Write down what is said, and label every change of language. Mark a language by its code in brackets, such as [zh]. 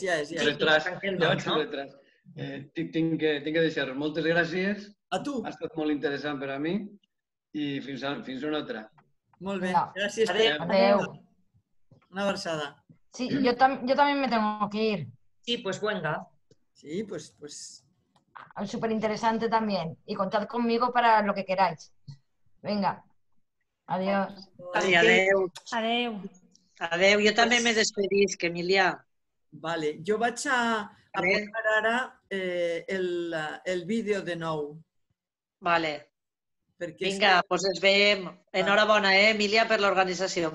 [ca] Ja vaig al retras. Tinc que deixar-ho. Moltes gràcies. A tu. Ha estat molt interessant per a mi i fins una altra. Molt bé. Gràcies. Adéu. Una abraçada. [es] Sí, [ca] jo també [es] me tengo que ir. Sí, pues venga. Sí, pues... Súper interesante también. Y contad conmigo para lo que queráis. Venga. Adiós. [ca] Adéu. Adéu. Adéu. Adéu. Jo també m'he despedit, que Emilia. Vale, jo vaig a posar ara el vídeo de nou. Vale. Perquè vinga, doncs està... pues ens veiem. Vale. Enhorabona, Emilia, per l'organització.